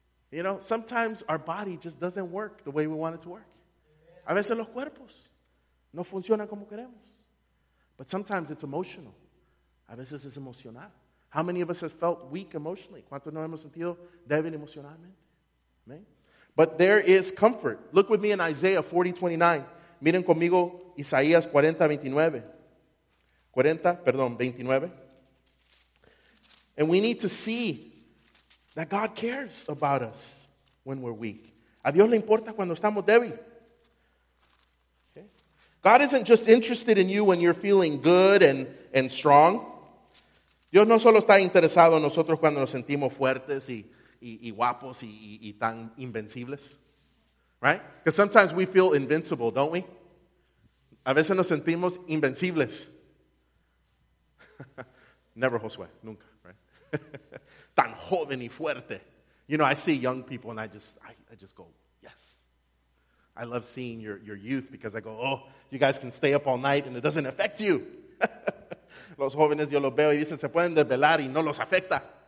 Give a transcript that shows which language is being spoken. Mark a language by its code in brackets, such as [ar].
[en] You know, sometimes our body just doesn't work the way we want it to work. [es] A veces los cuerpos no funcionan como queremos. [en] But sometimes it's emotional. [es] A veces es emocional. [en] How many of us have felt weak emotionally? [es] ¿Cuántos no hemos sentido débil emocionalmente? Amen. [en] But there is comfort. Look with me in Isaiah 40:29. [es] Miren conmigo Isaías 40:29. 29. [en] And we need to see that God cares about us when we're weak. [es] A Dios le importa cuando estamos débil. Okay. [en] God isn't just interested in you when you're feeling good and strong. [es] Dios no solo está interesado en nosotros cuando nos sentimos fuertes y guapos y tan invencibles. [en] Right? Because sometimes we feel invincible, don't we? [es] A veces nos sentimos invencibles. [en] Never [es] Josué, nunca. [en] Right? [es] Tan joven y fuerte. [en] You know, I see young people and I just go, yes. I love seeing your youth because I go, oh, you guys can stay up all night and it doesn't affect you. [es] Los jóvenes yo los veo y dicen, se pueden desvelar y no los afecta.